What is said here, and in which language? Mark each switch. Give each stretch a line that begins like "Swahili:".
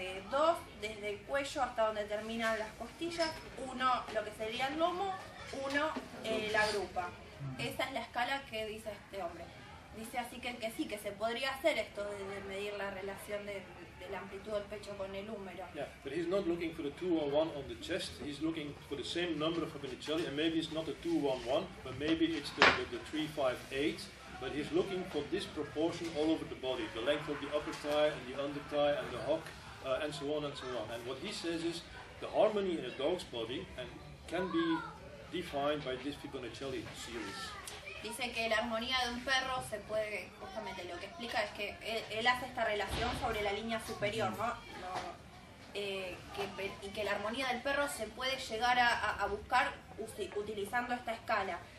Spanish: dos, desde el cuello hasta donde terminan las costillas, uno lo que sería el lomo, uno la grupa. Esa es la escala que dice este hombre. Dice así que sí, que se podría hacer esto de medir la relación de la amplitud del pecho con el húmero.
English: Yeah, but he's not looking for the 201 on the chest, he's looking for the same number of appendiceles, and maybe it's not the 211, but maybe it's the 358. But he's looking for this proportion all over the body, the length of the upper thigh and the under thigh and the hock, and so on and so on. And what he says is the harmony in a dog's body and can be defined by this Fibonacci series.
Spanish: Dice que la armonía de un perro se puede, justamente lo que explica es que él hace esta relación sobre la línea superior, ¿no? Y que la armonía del perro se puede llegar a buscar utilizando esta escala.